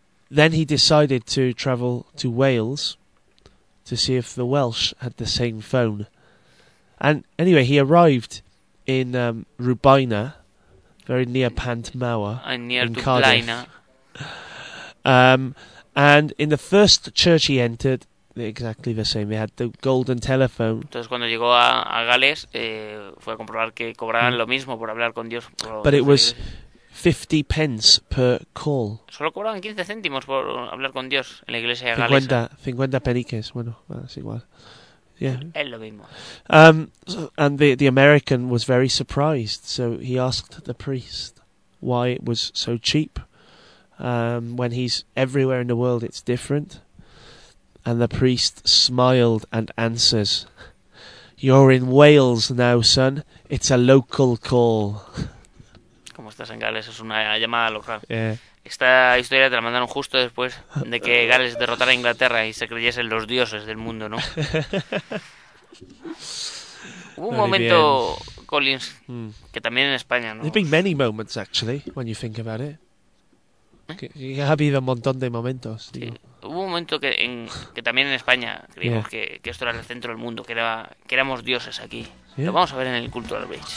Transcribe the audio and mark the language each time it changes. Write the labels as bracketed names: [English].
[English] Then he decided to travel to Wales to see if the Welsh had the same phone. And anyway, he arrived in Rubina, very near Pantmawr, near in Cardiff. And in the first church he entered, exactly the same. They had the golden telephone. [Spanish] Entonces cuando llegó a Gales, fue a comprobar que cobraban lo mismo por hablar con Dios. [English] But it was 50 pence per call. [Spanish] Solo cobraban 15 céntimos por hablar con Dios en la iglesia de Gales. 50 peniques. Bueno, es igual. [English] Yeah. [Spanish] Es lo mismo. [English] And the American was very surprised. So he asked the priest why it was so cheap. When he's everywhere in the world, it's different. And the priest smiled and answers, "You're in Wales now, son. It's a local call." [Spanish] ¿Cómo estás en Gales? Es una llamada local. [English] Yeah. [Spanish] Esta historia te la mandaron justo después de que Gales derrotara a Inglaterra y se creyesen los dioses del mundo, ¿no? Hubo un momento, bien. Collins, que también en España, ¿no? [English] There've been many moments, actually, when you think about it. [Spanish] Ha habido un montón de momentos. Sí. Hubo un momento que también en España creímos que esto era el centro del mundo, que éramos dioses aquí. [English] Yeah. [Spanish] Lo vamos a ver en el Cultural Beach.